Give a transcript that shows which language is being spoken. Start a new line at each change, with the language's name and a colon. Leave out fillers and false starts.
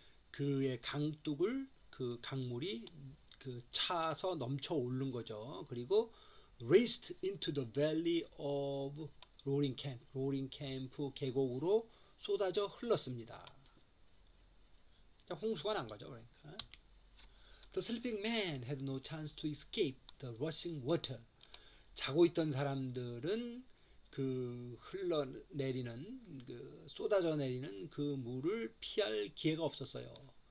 Korean: 그의 강둑을 그 강물이 그 차서 넘쳐 오른 거죠.
English: 그리고 raced into the valley of Roaring Camp
Korean: 계곡으로 쏟아져 흘렀습니다. 홍수가 난 거죠, 그러니까.
English: The sleeping man had no chance to escape. The rushing water.
Korean: 자고 있던 사람들은 그 흘러내리는 그 쏟아져 내리는 그 물을 피할 기회가 없었어요.